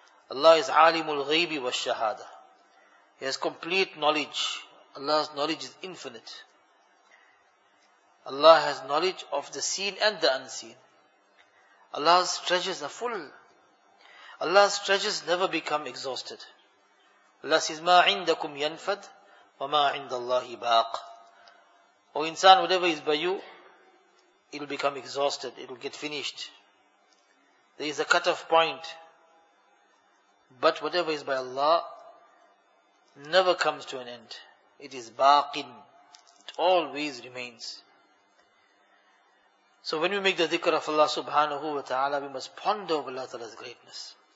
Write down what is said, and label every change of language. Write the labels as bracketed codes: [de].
[en] Allah is alimul ghaybi wa shahada. He has complete knowledge. Allah's knowledge is infinite. Allah has knowledge of the seen and the unseen. Allah's treasures are full. Allah's treasures never become exhausted. Allah says, [ar] مَا عِنْدَكُمْ يَنْفَدْ وَمَا عِنْدَ اللَّهِ بَاقٍ. [en] O insan, whatever is by you, it will become exhausted, it will get finished. There is a cut-off point. But whatever is by Allah, never comes to an end. It is baqin. It always remains. So when we make the dhikr of Allah subhanahu wa ta'ala, we must ponder over Allah Ta'ala's greatness.